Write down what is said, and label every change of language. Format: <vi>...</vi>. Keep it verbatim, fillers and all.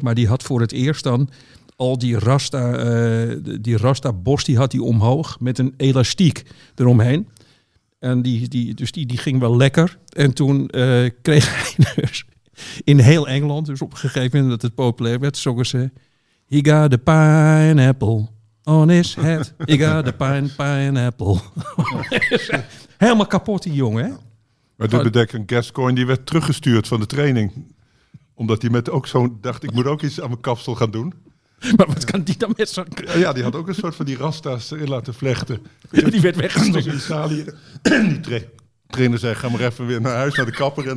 <nl>Maar die had voor het eerst dan al die rasta, uh, die rasta bos, die had hij omhoog. Met een elastiek eromheen. En die, die, dus die, die ging wel lekker. En toen uh, kreeg hij dus in heel Engeland. Dus op een gegeven moment dat het populair werd. Zongen ze...</nl> <en>He got the pineapple on his head. He got the pine, pineapple.</en> <nl>Helemaal kapot die jongen, hè? Maar de bedekker Gascoigne, die werd teruggestuurd van de training. Omdat hij met ook zo'n dacht, ik moet ook iets aan mijn kapsel gaan doen. Maar wat kan die dan met zo'n... Ja, die had ook een soort van die rasta's erin laten vlechten. Die werd weggestuurd. In Italië. Die tra- trainer zei, ga maar even weer naar huis, naar de kapper.</nl>